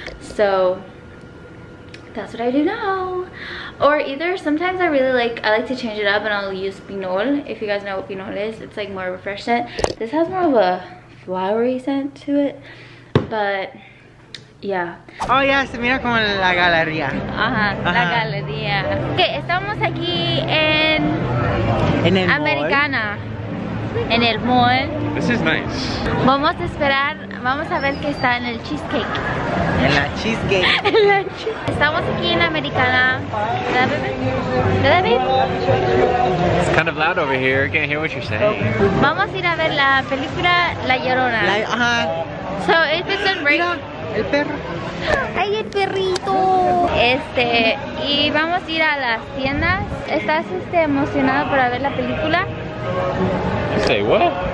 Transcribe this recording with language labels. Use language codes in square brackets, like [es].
[en] So that's what I do now. Or either sometimes I really like, I like to change it up and I'll use Pinol. If you guys know what Pinol is, it's like more refreshing. This has more of a flowery scent to it, but yeah. [es] Oh yeah, se mira como en la galería. Ajá, la galería. Okay, estamos aquí en el Americana. En el mall. [en] This is nice. [es] Vamos a esperar, vamos a ver qué está en el cheesecake. En la cheesecake. En la cheesecake. Estamos aquí en Americana. ¿Verdad, bebé? [en] It's kind of loud over here. I can't hear what you're saying. [es] Vamos a ir a ver la película La Llorona. [en] So it's a good break. [es] Mira. El perro. ¡Ay, el perrito! Y vamos a ir a las tiendas. ¿Estás emocionado para ver la película? [en] Say what?